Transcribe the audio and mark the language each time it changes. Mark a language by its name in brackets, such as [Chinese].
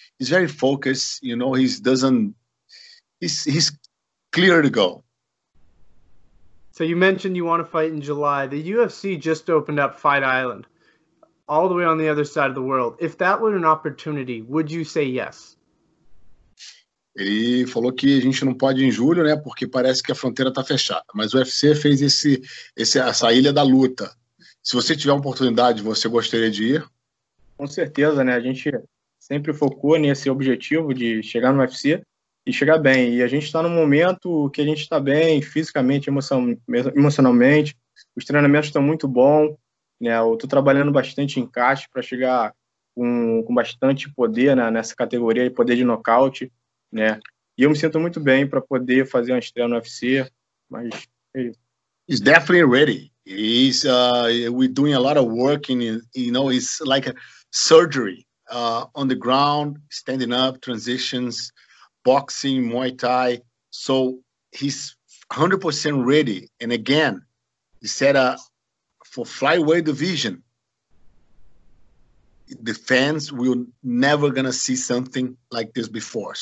[English] He's very focused, you know. He's clear to go. So you mentioned you want to fight in July. The UFC just opened up Fight Island, all the way on the other side of the world. If that were an opportunity, would you say yes? [Portuguese] Ele falou que a gente não pode ir em julho, né? Porque parece que a fronteira está fechada. Mas o UFC fez essa ilha da luta. Se você tiver uma oportunidade, você gostaria de ir? Com certeza, né? A gente sempre focou nesse objetivo de chegar no UFC e chegar bem. E a gente está num momento que a gente está bem fisicamente, emocionalmente. Os treinamentos estão muito bons, né? Eu estou trabalhando bastante em caixa para chegar com bastante poder, né, nessa categoria e poder de nocaute, né? E eu me sinto muito bem para poder fazer uma estreia no UFC. Mas é isso. [English] He's definitely ready. He's we're doing a lot of work in, you know, it's like a surgery. On the ground, standing up, transitions, boxing, Muay Thai. So he's 100% ready. And again, he said for flyweight division, the fans will never gonna see something like this before.